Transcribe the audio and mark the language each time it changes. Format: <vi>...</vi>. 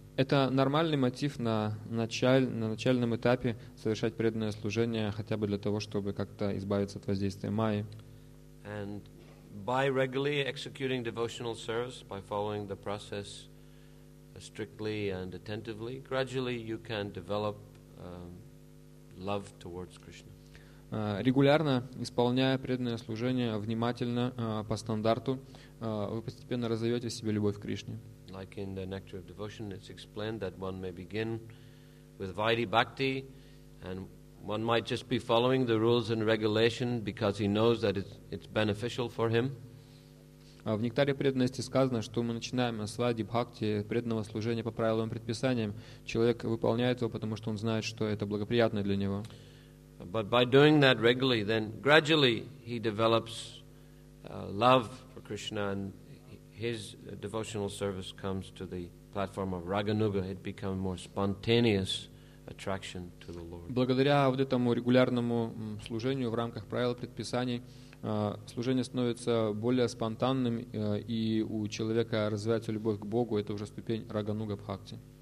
<ru>Это нормальный мотив на начальном этапе совершать преданное служение хотя бы для того, чтобы как-то избавиться от воздействия майи.</ru> <en>And by regularly executing devotional service, by following the process strictly and attentively, gradually you can develop love towards Krishna.</en> <ru>Регулярно исполняя преданное служение внимательно, по стандарту, вы постепенно разовьете в себе любовь к Кришне.</ru> <en>Like in the Nectar of Devotion, it's explained that one may begin with Vaidhi Bhakti, and one might just be following the rules and regulation because he knows that it's beneficial for him.</en> <ru>В Нектаре преданности сказано, что мы начинаем с Вайди Бхакти, преданного служения по правилам и предписаниям. Человек выполняет его, потому что он знает, что это благоприятно для него.</ru> <en>But by doing that regularly, then gradually he develops love for Krishna, and his devotional service comes to the platform of Raganuga. It becomes more spontaneous attraction to the Lord.</en> <ru>Благодаря вот этому регулярному служению в рамках правил и предписаний, служение становится более спонтанным, и у человека развивается любовь к Богу. Это уже ступень Рагануга Бхакти.</ru>